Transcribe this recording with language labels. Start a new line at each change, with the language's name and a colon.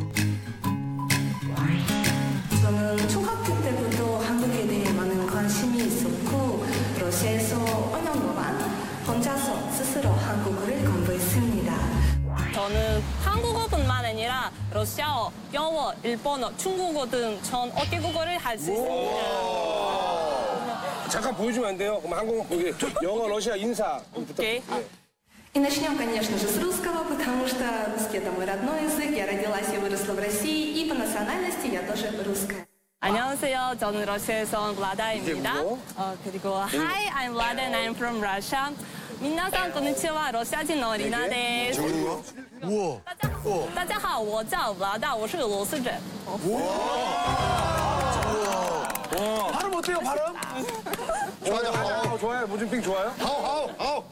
Korean: 저는 초등학교 때부터 한국에 대해 많은 관심이 있었고 러시아에서 5년 동안 혼자서 스스로 한국어를 공부했습니다. 저는 한국어뿐만 아니라 러시아어, 영어, 일본어, 중국어 등 전 어깨 국어를 할 수 있습니다. 잠깐 보여주면 안 돼요? 그럼 한국어, 영어, 러시아 인사
Russian: И начнем, конечно же, с русского, потому что русский это мой родной язык. Я родилась и выросла в России, и по национальности я тоже русская.
Korean: 안녕하세요. 저는 러시아에서 온 Vlada입니다. 그리고
English: Hi, I'm Vlada and I'm from Russia.
Japanese: 민나상 고니치와 러시아진어 리나데스.
Korean: 우와.
Chinese: 大家好, 我叫 Vlada, 我是俄罗斯人.
Korean: 우와. 발음 어때요, 발음? 좋아요, 좋아요. 무진핑 좋아요?
Chinese: 하오.